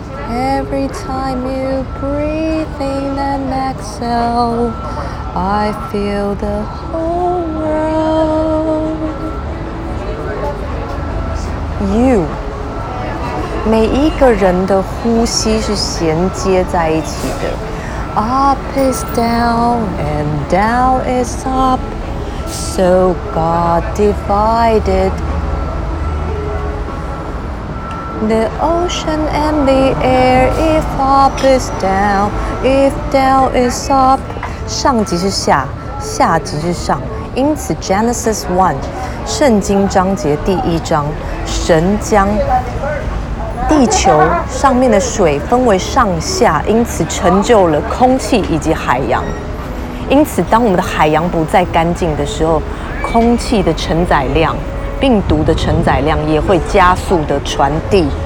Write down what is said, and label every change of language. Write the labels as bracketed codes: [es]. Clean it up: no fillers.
[en] Every time you breathe in and exhale, I feel the whole world. [zh] You, 每一个人的呼吸是衔接在一起的。 [en] Up is down and down is up, so God divided. The ocean and the air, if up is down, if down is up. [zh] 上即是下，下即是上。因此 Genesis 1, 圣经章节第一章，神将地球上面的水分为上下，因此成就了空气以及海洋。因此当我们的海洋不再干净的时候，空气的承载量，病毒的承载量也会加速的传递。